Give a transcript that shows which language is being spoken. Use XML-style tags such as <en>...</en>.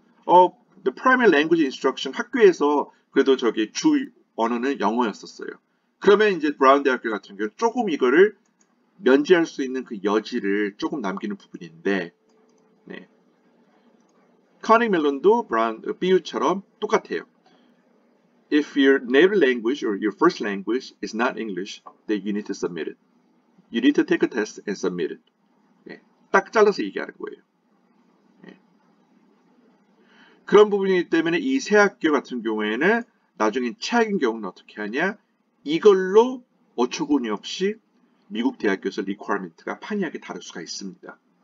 <en>The primary language instruction</en> <ko>학교에서 그래도 저기 주 언어는 영어였었어요. 그러면 이제 브라운 대학교 같은 경우 조금 이거를 면제할 수 있는 그 여지를 조금 남기는 부분인데, 네. 카네기 멜론도 BU처럼 똑같아요.</ko> <en>If your native language or your first language is not English, then you need to submit it. You need to take a test and submit it.</en> <ko>네. 딱 잘라서 얘기하는 거예요. 네. 그런 부분이기 때문에 이 새 학교 같은 경우에는 나중에 최악인 경우는 어떻게 하냐? 이걸로 어처구니 없이 미국 대학교에서 requirement가 판이하게 다를 수가 있습니다.</ko>